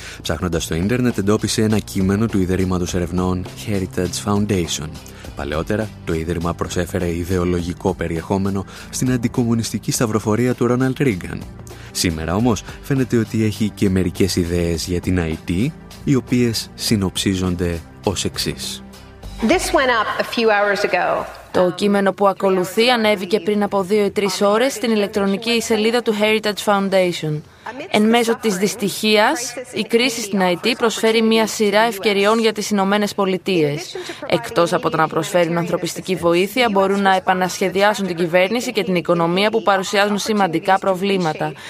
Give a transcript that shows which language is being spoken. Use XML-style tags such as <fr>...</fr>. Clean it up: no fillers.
<el>Ψάχνοντας στο ίντερνετ εντόπισε ένα κείμενο του Ιδρύματος Ερευνών Heritage Foundation. Παλαιότερα, το Ίδρυμα προσέφερε ιδεολογικό περιεχόμενο στην αντικομμουνιστική σταυροφορία του Ρόναλντ Ρίγκαν. Σήμερα όμως φαίνεται ότι έχει και μερικές ιδέες για την Αϊτή, οι οποίες συνοψίζονται ως εξής.</el> <en>This went up a few hours ago.</en> <el>Το κείμενο που ακολουθεί ανέβηκε πριν από 2 ή 3 ώρες στην ηλεκτρονική σελίδα του Heritage Foundation. Εν μέσω της δυστυχίας, η κρίση στην Αϊτή προσφέρει μία σειρά ευκαιριών για τις Ηνωμένες Πολιτείες. Εκτός από το να προσφέρουν ανθρωπιστική βοήθεια, μπορούν να επανασχεδιάσουν την κυβέρνηση και την οικονομία που παρουσιάζουν σημαντικά προβλήματα.</el>